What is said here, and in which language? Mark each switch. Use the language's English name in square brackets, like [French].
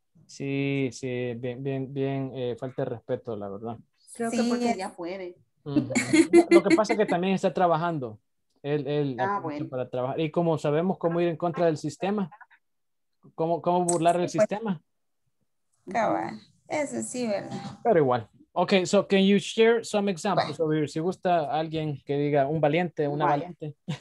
[Spanish] Sí, sí, bien, falta de respeto, la verdad. Creo sí, que porque es. Ya puede. Lo que pasa es que también está trabajando. Él para trabajar. Y como sabemos cómo ir en contra del sistema, cómo burlar el sistema. Cabal, eso sí, ¿verdad? Pero igual. [English] Ok, so can you share some examples over here? [Spanish] Si gusta alguien que diga un valiente, una valiente.